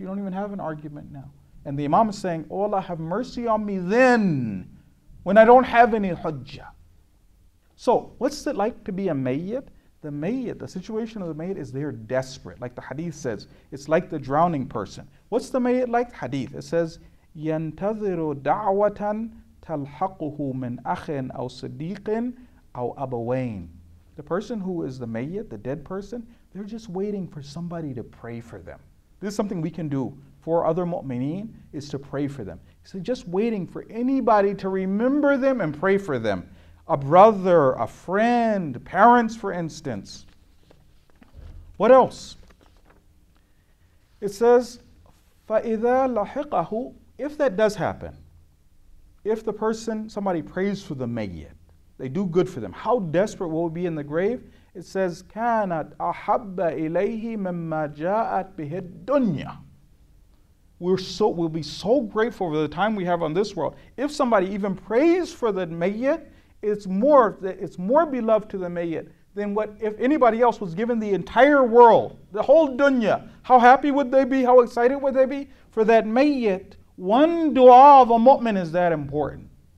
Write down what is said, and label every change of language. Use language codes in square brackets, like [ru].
[en] You don't even have an argument now. And the imam is saying, oh Allah, have mercy on me then, when I don't have any hujjah. So what's it like to be a mayyit? The mayyit, the situation of the mayyit is they're desperate. Like the hadith says, it's like the drowning person. What's the mayyit like? Hadith. It says, [ar] يَنْتَذِرُ دَعْوَةً تَلْحَقُهُ مِنْ أَخٍ أَوْ صَدِيقٍ أَوْ أَبَوَيْنِ. [en] The person who is the mayyit, the dead person, they're just waiting for somebody to pray for them. This is something we can do for other mu'mineen, is to pray for them. So just waiting for anybody to remember them and pray for them. A brother, a friend, parents, for instance. What else? It says, [ar] فَإِذَا لَحِقَهُ. [en] If that does happen, if the person, somebody prays for the mayyit, they do good for them, how desperate will we be in the grave? It says, [ar] كَانَتْ أَحَبَّ إِلَيْهِ مَمَّا جَاءَتْ بِهِ الدُّنْيَا. [en] We'll be so grateful for the time we have on this world. If somebody even prays for the mayyit, It's more beloved to the mayyit than what if anybody else was given the entire world, the whole dunya. How happy would they be? How excited would they be? For that mayyit, one dua of a mu'min is that important.